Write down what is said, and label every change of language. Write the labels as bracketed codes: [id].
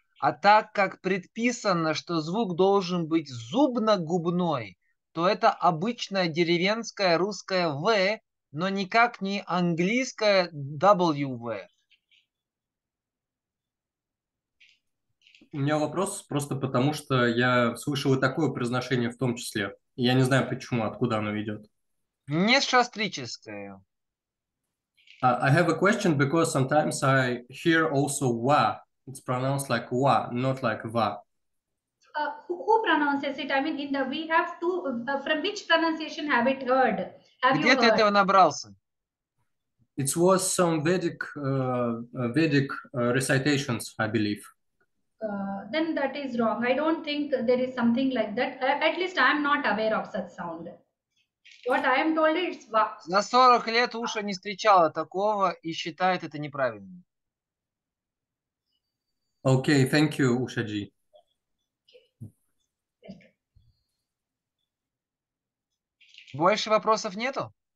[ru] А так как предписано, что звук должен быть зубно-губной, то это обычная деревенская русская В, но никак не английская W. У меня вопрос просто потому, что я слышал и такое произношение в том числе. Я не знаю почему, откуда оно идет. Не шастрическое. [en] I have a question because sometimes I hear also wa. It's pronounced like wa, not like va. Who pronounces it? I mean, in the we have two. From which pronunciation have it heard? Have you [ru] Где ты [en] heard? [ru] этого набрался? [en] It was some Vedic recitations, I believe. Then that is wrong. I don't think there is something like that. At least I am not aware of such sound. What I am told is va. [ru] За 40 лет Уша не встречала такого и считает это неправильным. [en] Okay, thank you, Ushaji. [ru] Больше вопросов нету?